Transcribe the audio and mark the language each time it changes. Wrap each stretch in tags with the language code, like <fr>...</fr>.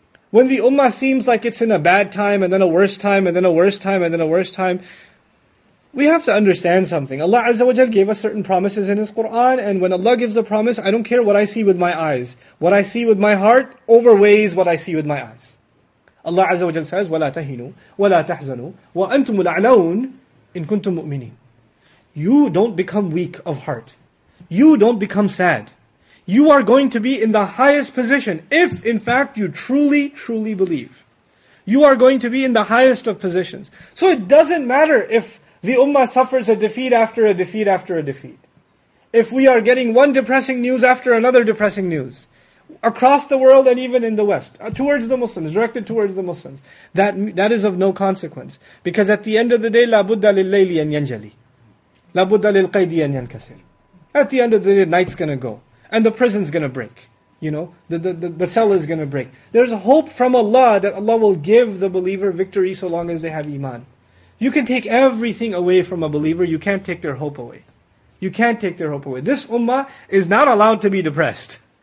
<en>When the ummah seems like it's in a bad time, and then a worse time, and then a worse time, and then a worse time, we have to understand something. Allah Azza wa Jal gave us certain promises in His Qur'an, and when Allah gives a promise, I don't care what I see with my eyes. What I see with my heart overweighs what I see with my eyes.</en> <ar>Allah Azza wa Jal says, وَلَا تَهِنُوا وَلَا تَحْزَنُوا وَأَنْتُمُ الْعَلَوْنَ إِن كُنْتُمْ مُؤْمِنِينَ.</ar> <en>You don't become weak of heart. You don't become sad. You are going to be in the highest position if in fact you truly, truly believe. You are going to be in the highest of positions. So it doesn't matter if the ummah suffers a defeat after a defeat after a defeat. If we are getting one depressing news after another depressing news, across the world and even in the West, towards the Muslims, directed towards the Muslims, that is of no consequence. Because at the end of the day,</en> <ar>لَابُدَّ لِلَّيْلِ أَنْ يَنْجَلِي لَابُدَّ لِلْقَيْدِ أَنْ يَنْكَسِرِ.</ar> <en>At the end of the day, night's gonna go. And the prison's gonna break. You know, the cell is gonna break. There's hope from Allah that Allah will give the believer victory so long as they have iman. You can take everything away from a believer, you can't take their hope away. You can't take their hope away. This ummah is not allowed to be depressed.</en>